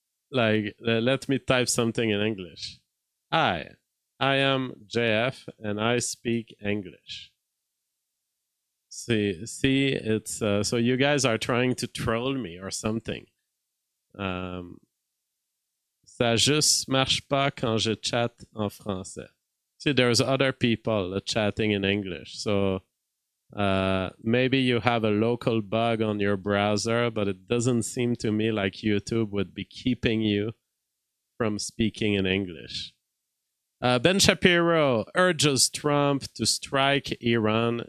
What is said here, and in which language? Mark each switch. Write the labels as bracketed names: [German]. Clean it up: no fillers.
[English] let me type something in English. I am JF and I speak English. See, it's so you guys are trying to troll me or something. [French] Ça juste marche pas quand je chat en français. [English] See, there's other people chatting in English, so. Maybe you have a local bug on your browser, but it doesn't seem to me like YouTube would be keeping you from speaking in English. Ben Shapiro urges Trump to strike Iran.